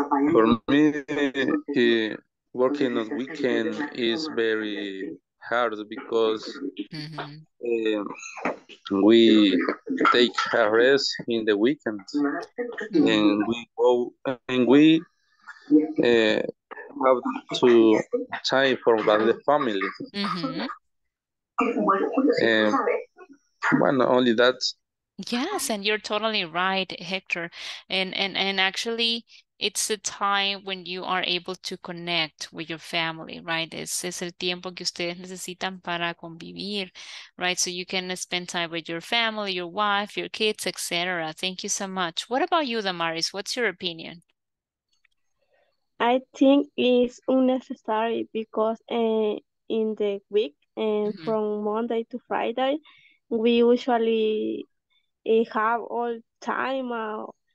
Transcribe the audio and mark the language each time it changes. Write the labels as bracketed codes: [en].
[en] For me, working on weekend is very hard because we take a rest in the weekend and we have to time for the family. Well, not only that. Yes, and you're totally right, Hector. And actually, it's the time when you are able to connect with your family, right? [es] Es el tiempo que ustedes necesitan para convivir, right? [en] So you can spend time with your family, your wife, your kids, etc. Thank you so much. What about you, Damaris? What's your opinion? I think it's unnecessary because in the week, from Monday to Friday, we usually have all time.